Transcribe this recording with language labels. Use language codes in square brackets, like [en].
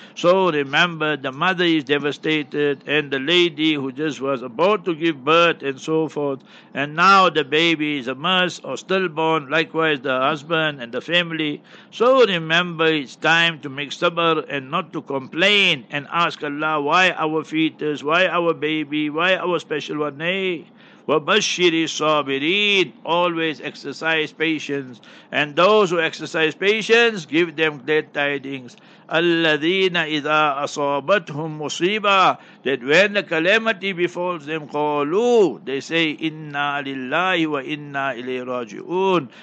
[en] So remember, the mother is devastated, and the lady who just was about to give birth and so forth, and now the baby is a mess or stillborn, likewise the husband and the family. So remember, it's time to make sabr and not to complain and ask Allah, why our fetus, why our baby, why our special one? [ar] Nay, وَبَشِّرِ الصَّابِرِينَ. [en] Always exercise patience. And those who exercise patience, give them glad tidings. [ar] الَّذِينَ إِذَا أَصَابَتْهُمْ مُصِيبًا. [en] That when the calamity befalls them, [ar] قَالُوا. [en] They say, [ar] إِنَّا لِلَّهِ وَإِنَّا إِلَيْهِ رَاجِعُونَ.